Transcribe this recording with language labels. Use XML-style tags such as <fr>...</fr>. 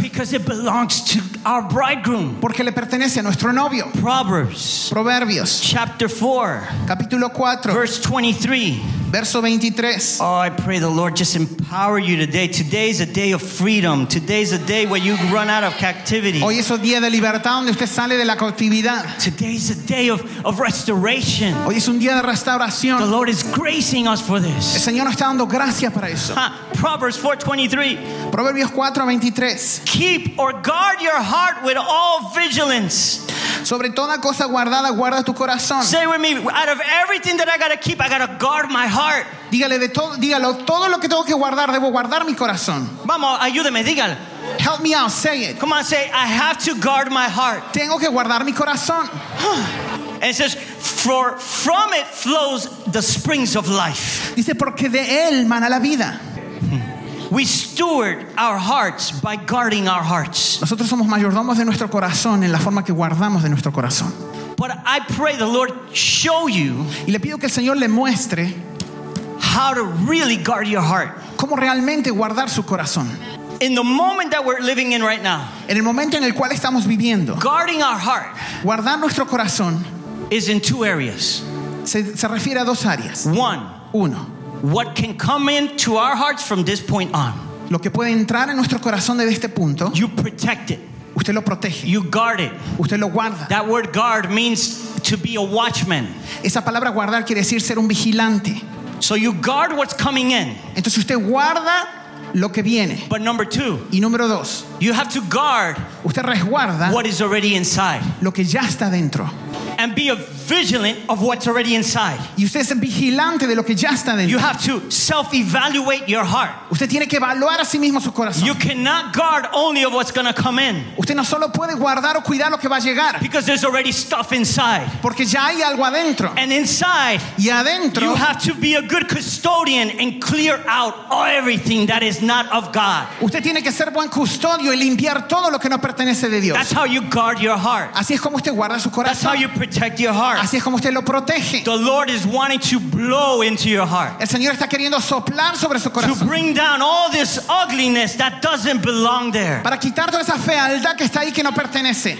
<en>Because it belongs to our bridegroom.</en> <es>Porque le pertenece a nuestro novio.</es> <en>Proverbs.</en> <es>Proverbios.</es> <en>Chapter 4.</en> <es>Capítulo 4.</es> <en>Verse 23.</en> <es>Verso 23.</es> <en>Oh, I pray the Lord just empower you today. Today is a day of freedom. Today is a day where you run out of captivity.</en> <es>Hoy es un día de libertad donde usted sale de la cautividad.</es> <en>Today is a day of restoration.</en> <es>Hoy es un día de restauración.</es> <en>The Lord is gracing us for this.</en> <es>El Señor nos está dando gracia para eso.</es> <en>Proverbs 4:23.</en> <es>Proverbios 4:23.</es> <en>Keep or guard your heart with all vigilance.</en> <es>Sobre toda cosa guardada, guarda tu corazón.</es> <en>Say with me, out of everything that I gotta keep, I gotta guard my heart.</en> <es>Dígalo, todo lo que tengo que guardar, debo guardar mi corazón. Vamos, ayúdeme, dígalo.</es> <en>Help me out, say it. Come on, say, I have to guard my heart.</en> <es>Tengo que guardar mi corazón.</es> <en>And it says, for from it flows the springs of life.</en> <es>Dice, porque de él mana la vida.</es> <en>We steward our hearts by guarding our hearts.</en> <es>Nosotros somos mayordomos de nuestro corazón en la forma que guardamos de nuestro corazón.</es> <en>But I pray the Lord show you.</en> <es>Y le pido que el Señor le muestre</es> <en>how to really guard your heart.</en> <es>Cómo realmente guardar su corazón.</es> <en>In the moment that we're living in right now,</en> <es>en el momento en el cual estamos viviendo,</es> <en>guarding our heart,</en> <es>guardar nuestro corazón,</es> <en>is in two areas.</en> <es>Se refiere a dos áreas.</es> <en>One,</en> <es>uno,</es> <en>what can come into our hearts from this point on.</en> <es>Lo que puede entrar en nuestro corazón desde este punto.</es> <en>You protect it.</en> <es>Usted lo protege.</es> <en>You guard it.</en> <es>Usted lo guarda.</es> <en>That word guard means to be a watchman.</en> <es>Esa palabra guardar quiere decir ser un vigilante.</es> <en>So you guard what's coming in.</en> <es>Entonces usted guarda lo que viene.</es> <en>But number two,</en> <es>y número dos,</es> <en>you have to guard,</en> <es>usted resguarda</es> <en>what is already inside.</en> <es>Lo que ya está dentro.</es> <en>And be a vigilant of what's already inside.</en> <es>Y usted es vigilante de lo que ya está dentro.</es> <en>You have to self-evaluate your heart.</en> <es>Usted tiene que evaluar a sí mismo su corazón.</es> <en>You cannot guard only of what's going to come in.</en> <es>Usted no solo puede guardar o cuidar lo que va a llegar.</es> <en>Because there's already stuff inside.</en> <es>Porque ya hay algo adentro.</es> <en>And inside,</en> <es>y adentro,</es> <en>you have to be a good custodian and clear out everything that is not of God.</en> <es>Usted tiene que ser buen custodio y limpiar todo lo que no pertenece de Dios.</es> <en>That's how you guard your heart.</en> <es>Así es como usted guarda su corazón.</es> <en>That's how you protect your heart.</en> <es>Así es como usted lo protege.</es> <en>The Lord is wanting to blow into your heart.</en> <es>El Señor está queriendo soplar sobre su corazón.</es> <en>To bring down all this ugliness that doesn't belong there.</en> <es>Para quitar toda esa fealdad que está ahí que no pertenece.</es>